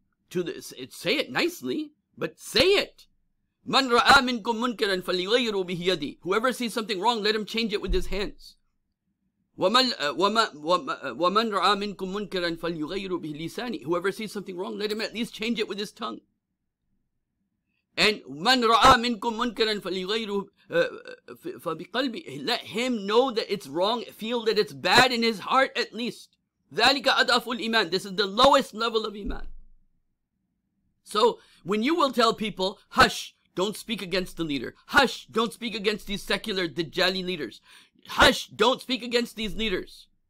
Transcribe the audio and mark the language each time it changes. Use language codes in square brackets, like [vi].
[en] Say it nicely, but say it. [ar] Man ra'a minkum munkaran falyughayyir bihi yadi. [en] Whoever sees something wrong, let him change it with his hands. [ar] وَمَنْ رَعَى مِنْكُمْ مُنْكَرًا فَلْيُغَيْرُ بِهِ لِسَانِي. [en] Whoever sees something wrong, let him at least change it with his tongue. [ar] And مَنْ رَعَى مِنْكُمْ مُنْكَرًا فَلْيُغَيْرُ فَبِقَلْبِ. [en] Let him know that it's wrong, feel that it's bad in his heart at least. [ar] ذَلِكَ أَدْعَفُ الْإِيمَانِ. [en] This is the lowest level of iman. So when you will tell people, hush, don't speak against the leader. Hush, don't speak against these secular Dajjali leaders. Hush, don't speak against these leaders.